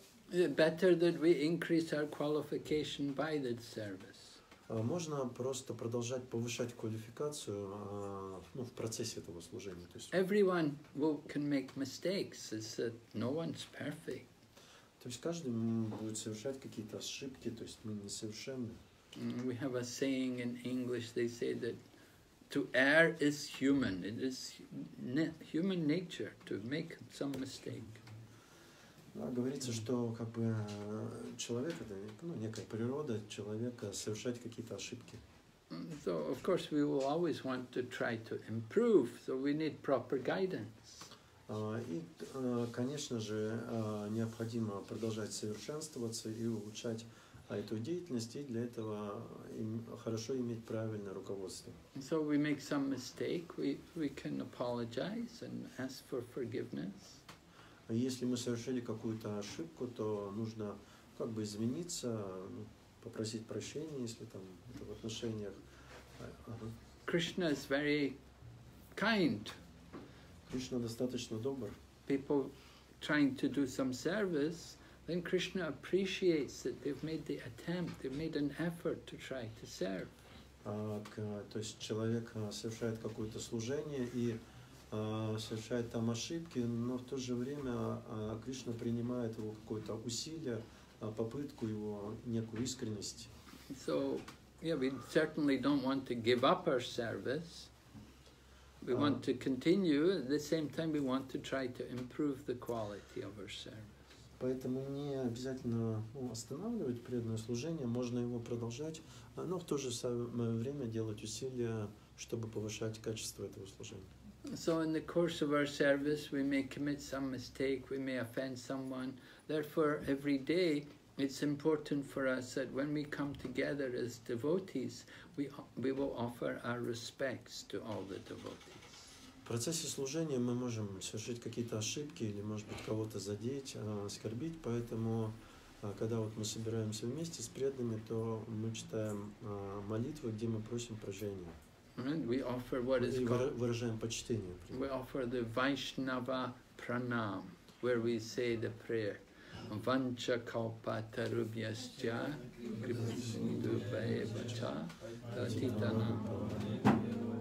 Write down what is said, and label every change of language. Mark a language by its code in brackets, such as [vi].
[en] Better that we increase our qualification by the service. [ru] Можно просто продолжать повышать квалификацию в процессе этого служения. То есть, [en] everyone can make mistakes. It's that no one's perfect. [ru] То есть каждый будет совершать какие-то ошибки, то есть мы несовершенны. [en] We have a saying in English, they say that to err is human. It is human nature to make some mistake. [ru] Говорится, что как бы человек это некая природа человека совершать какие-то ошибки. [en] So of course we will always want to try to improve. So we need proper guidance. [ru] И, конечно же, необходимо продолжать совершенствоваться и улучшать эту деятельность, и для этого хорошо иметь правильное руководство. [en] So we make some mistake, we can apologize and ask for forgiveness. [ru] Если мы совершили какую-то ошибку, то нужно как бы извиниться, попросить прощения, если там это в отношениях. [en] Krishna is very kind. [ru] Krishna достаточно добр. [en] People trying to do some service, then Krishna appreciates that they've made the attempt, they've made an effort to try to serve. [ru] То есть человек совершает какое-то служение и совершает там ошибки, но в то же время Кришна принимает его какое-то усилие, попытку его, некую искренность. [en] So, yeah, we certainly don't want to give up our service. We want to continue, at the same time we want to try to improve the quality of our service. [ru] Поэтому не обязательно останавливать преданное служение, можно его продолжать, но в то же самое время делать усилия, чтобы повышать качество этого служения. [en] So in the course of our service, we may commit some mistake, we may offend someone. Therefore, every day, it's important for us that when we come together as devotees, we will offer our respects to all the devotees. [ru] В процессе служения мы можем совершить какие-то ошибки или, может быть, кого-то задеть, оскорбить. Поэтому, когда вот мы собираемся вместе с преданными, то мы читаем молитву, где мы просим прощения. [en] We offer what is called, [ru] выражаем почтение. [en] We offer the Vaishnava pranam, where we say the prayer. [sa] Vancha kalpa tarubhyascha kripasindubhayabhacha tatitanam.